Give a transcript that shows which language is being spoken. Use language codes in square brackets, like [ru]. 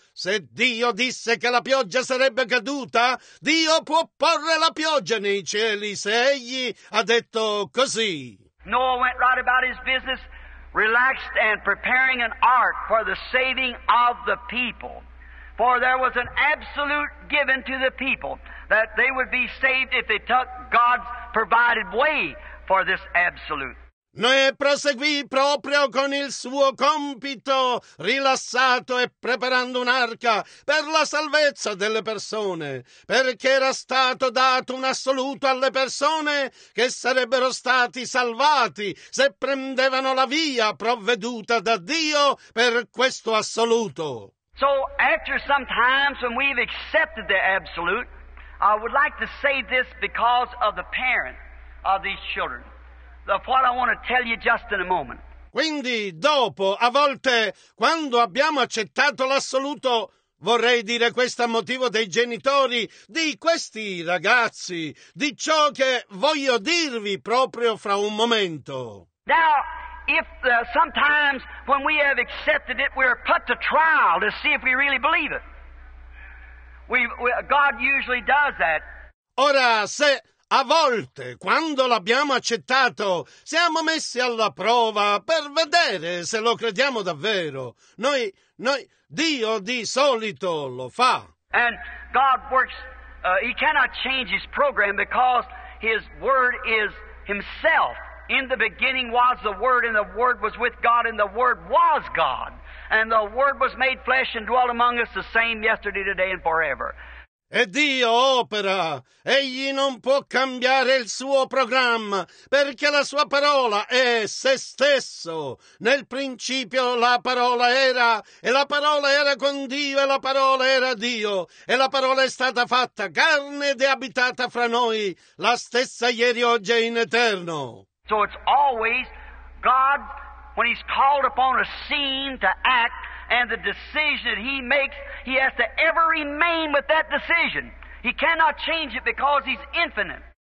[it] Se Dio disse che la pioggia sarebbe caduta, Dio può porre la pioggia nei cieli se Egli ha detto così. [en] Noah went right about his business, relaxed and preparing an ark for the saving of the people. For there was an absolute given to the people that they would be saved if they took God's provided way for this absolute. [it] Noè proseguì proprio con il suo compito, rilassato e preparando un'arca per la salvezza delle persone, perché era stato dato un assoluto alle persone che sarebbero stati salvati se prendevano la via provveduta da Dio per questo assoluto. [en] So, after some time when we've accepted the absolute, I would like to say this because of the parent of these children. Of what I want to tell you just in a moment. [it] Quindi, dopo, a volte, quando abbiamo accettato l'assoluto, vorrei dire questo a motivo dei genitori, di questi ragazzi, di ciò che voglio dirvi proprio fra un momento. [en] Now, if sometimes when we have accepted it, we're put to trial to see if we really believe it. God usually does that. [it] Ora, se... A volte, quando l'abbiamo accettato, siamo messi alla prova per vedere se lo crediamo davvero. Noi, Dio di solito lo fa. [en] And God works, he cannot change his program because his word is himself. In the beginning was the word, and the word was with God, and the word was God. And the word was made flesh and dwelt among us the same yesterday, today, and forever. [it] E Dio opera, egli non può cambiare il suo programma, perché la sua parola è se stesso. Nel principio la parola era, e la parola era con Dio, e la parola era Dio, e la parola è stata fatta carne ed è abitata fra noi, la stessa ieri, oggi e in eterno. [en] So it's always God, when he's called upon a scene to act, and the decision that he makes, he has to ever remain with that decision. He cannot change it because he's infinite.